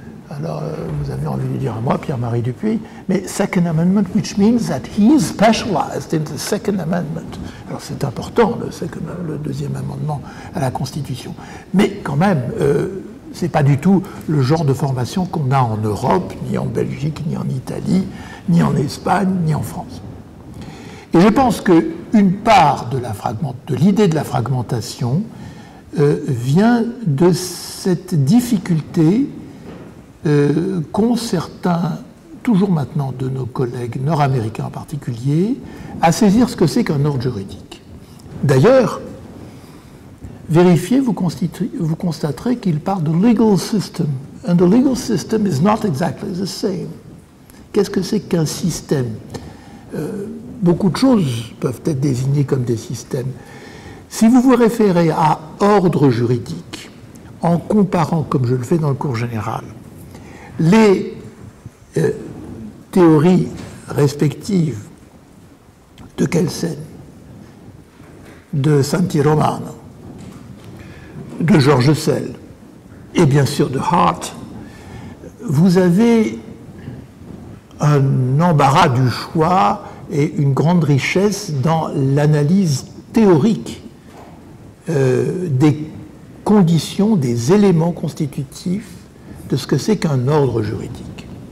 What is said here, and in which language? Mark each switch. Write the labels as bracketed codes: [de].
[fr] Alors, vous avez envie de dire à moi, [en] Pierre-Marie Dupuis, mais Second Amendment, which means that he is specialized in the Second Amendment. [fr] Alors, c'est important, le deuxième amendement à la Constitution. Mais quand même, ce n'est pas du tout le genre de formation qu'on a en Europe, ni en Belgique, ni en Italie, ni en Espagne, ni en France. Et je pense qu'une part de l'idée de la fragmentation vient de cette difficulté qu'ont certains, toujours maintenant, de nos collègues nord-américains en particulier, à saisir ce que c'est qu'un ordre juridique. D'ailleurs, vérifiez, vous constaterez qu'il parle de « legal system ». [en] And the legal system is not exactly the same. [fr] Qu'est-ce que c'est qu'un système ? Beaucoup de choses peuvent être désignées comme des systèmes. Si vous vous référez à « ordre juridique », en comparant, comme je le fais dans le cours général, les théories respectives de Kelsen, de Santi Romano, de Georges Sell et bien sûr de Hart, vous avez un embarras du choix et une grande richesse dans l'analyse théorique des conditions, des éléments constitutifs de ce que c'est qu'un ordre juridique.